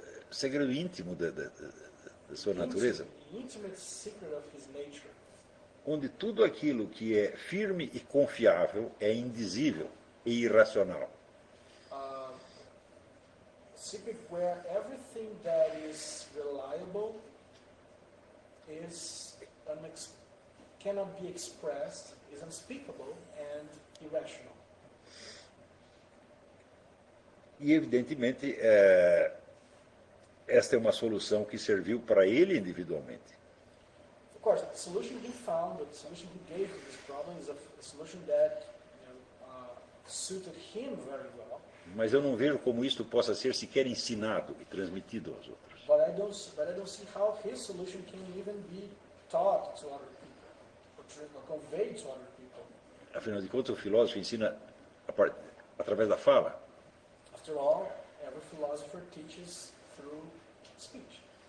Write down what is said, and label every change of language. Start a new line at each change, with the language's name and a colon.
Portuguese: segredo íntimo da sua natureza.
English: Intimate secret of his nature.
Portuguese: Onde tudo aquilo que é firme e confiável é indizível e irracional.
English: Secret where everything that is reliable is cannot be expressed, is unspeakable and irrational.
Portuguese: E evidentemente, esta é uma solução que serviu para ele individualmente.
English: Of course, the solution he found, the solution he gave to this problem is a solution that suited him very well.
Portuguese: Mas eu não vejo como isto possa ser sequer ensinado e transmitido aos outros.
English: But I don't see how his solution can even be taught to other people, or conveyed to other people.
Portuguese: Afinal de contas, o filósofo ensina a partir através da fala.
English: After all, every philosopher teaches through speech.